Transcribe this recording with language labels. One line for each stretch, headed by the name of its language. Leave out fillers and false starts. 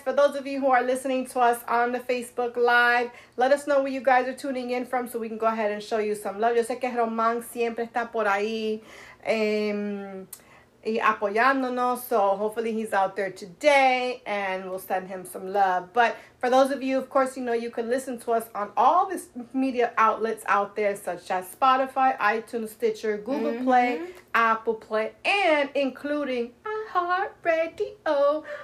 English: For those of you who are listening to us on the Facebook Live, let us know where you guys are tuning in from so we can go ahead and show you some love.
Spanish: Yo sé que Román siempre está por ahí y apoyándonos.
English: So hopefully he's out there today and we'll send him some love. But for those of you, of course, you know, you can listen to us on all the media outlets out there, such as Spotify, iTunes, Stitcher, Google mm-hmm. Play, Apple Play, and including iHeartRadio.